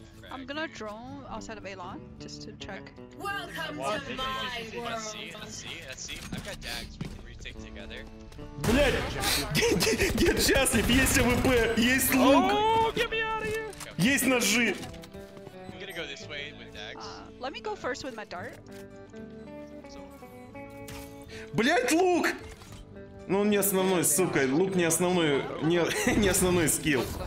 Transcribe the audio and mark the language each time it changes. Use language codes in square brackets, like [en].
[en] I'm gonna drone outside of A-Lon, just to check. Welcome to my world! Let's see, let's see. I've got dags we can retake together. [ru] Блядь! Дед счастлив, есть АВП, есть лук! Есть ножи! [en] I'm gonna go this way with dags. Let me go first with my dart. [ru] Блядь, лук! Ну он не основной, сука, лук не основной, не основной скилл.